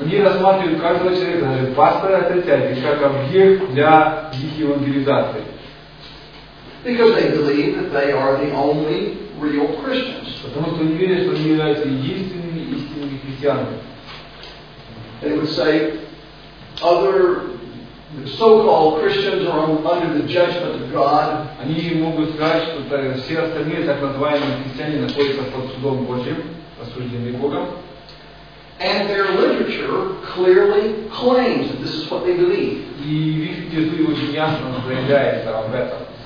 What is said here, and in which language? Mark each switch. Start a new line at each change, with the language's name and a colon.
Russian: Они рассматривают каждого человека, даже пастора этой церкви, как объект для их евангелизации.
English: Because they believe that they are the only real Christians.
Russian: Потому что они верят, что они являются истинными христианами.
English: They would say other so-called Christians are under the judgment of God.
Russian: Они могут сказать, что все остальные так называемые христиане находятся под судом Божьим, осуждены Богом.
English: And their literature clearly claims that this is what they believe.
Russian: И их литература очень ясно заявляет об этом.